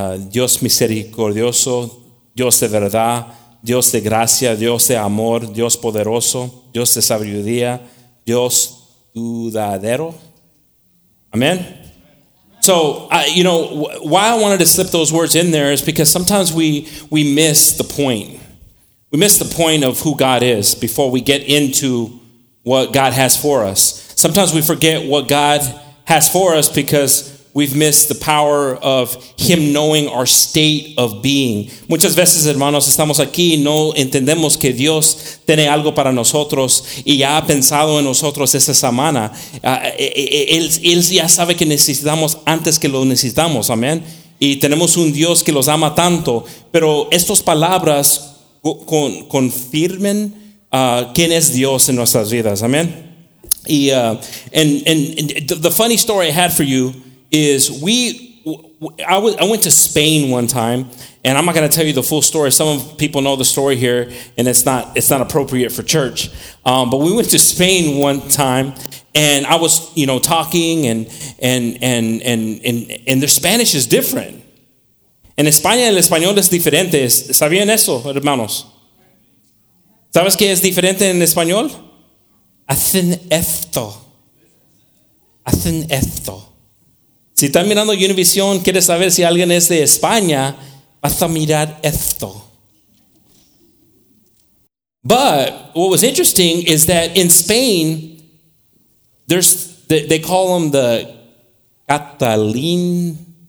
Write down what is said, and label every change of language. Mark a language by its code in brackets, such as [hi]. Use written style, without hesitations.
[es] Dios misericordioso, Dios de verdad, Dios de gracia, Dios de amor, Dios poderoso, Dios de sabiduría, Dios dudadero. Amen. [en] So, you know, why I wanted to slip those words in there is because sometimes we miss the point. We miss the point of who God is before we get into what God has for us. Sometimes we forget what God has for us because we've missed the power of Him knowing our state of being. [es] Muchas veces, hermanos, estamos aquí y no entendemos que Dios tiene algo para nosotros y ya ha pensado en nosotros esa semana. Él ya sabe que necesitamos antes que lo necesitamos. Amén. Y tenemos un Dios que los ama tanto. Pero estas palabras confirmen quién es Dios en nuestras vidas. Amén. [en] Y the funny story I had for you is I went to Spain one time, and I'm not going to tell you the full story. Some people know the story here, and it's not appropriate for church. But we went to Spain one time, and I was, you know, talking, and their Spanish is different. [es] En España el español es diferente. ¿Sabían eso, hermanos? ¿Sabes qué es diferente en español? Hacen esto. Hacen esto. Si estás mirando Univision, quieres saber si alguien es de España, vas a mirar esto. [en] But what was interesting is that in Spain, they call them the Catalín.